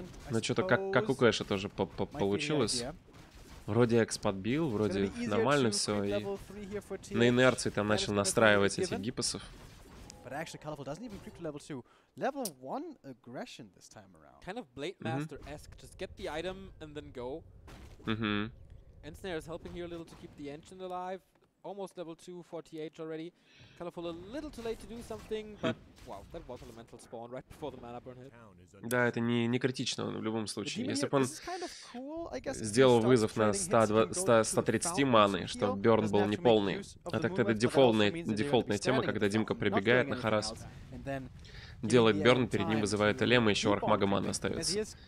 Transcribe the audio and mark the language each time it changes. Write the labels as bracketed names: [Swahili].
[Russian] Но что-то как у Кэша тоже получилось. Вроде Экс подбил, вроде нормально все. И на инерции там начал настраивать этих гиппосов. [English] But actually, Colorful doesn't even creep to level 2. Level 1 aggression this time around. Kind of Blade Master-esque. Just get the item and then go. Ensnare is helping here a little to keep the ancient alive. Almost level 2 for TH already. Colorful a little too late to do something, but... Wow, that was elemental spawn right before the mana burn hit. [Russian] Да, это не критично в любом случае. Если бы он сделал вызов на 130 маны, чтобы бёрн был неполный. А так-то это дефолтная тема, когда Димка прибегает на Харас, делает бёрн, перед ним вызывает Элем, и ещё архмага маны остается.